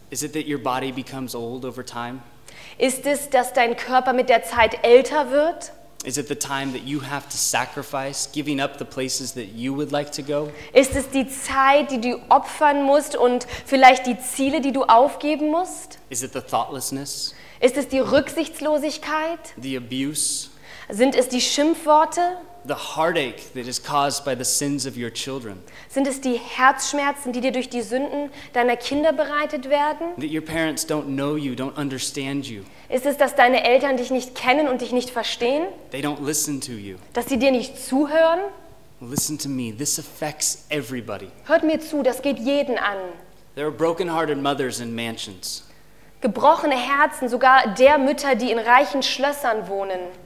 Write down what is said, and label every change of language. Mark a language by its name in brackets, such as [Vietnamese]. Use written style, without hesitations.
[English] Is it that your body becomes old over time? [German] Ist es, dass dein Körper mit der Zeit älter wird? [English] Is it the time that you have to sacrifice, giving up the places that you would like to go? [German] Ist es die Zeit, die du opfern musst und vielleicht die Ziele, die du aufgeben musst? [English] Is it the thoughtlessness? [German] Ist es die Rücksichtslosigkeit? [English] The abuse? [German] Sind es die Schimpfworte? [English] The heartache that is caused by the sins of your children? [German] Sind es die Herzschmerzen, die dir durch die Sünden deiner Kinder bereitet werden? [English] That your parents don't know you, don't understand you? [German] Ist es, dass deine Eltern dich nicht kennen und dich nicht verstehen? [English] They don't listen to you. [German] Dass sie dir nicht zuhören? [English] Listen to me, this affects everybody. [German] Hört mir zu, das geht jeden an. [English] There are broken-hearted mothers in mansions. [German] Gebrochene Herzen, sogar der Mütter, die in reichen Schlössern wohnen.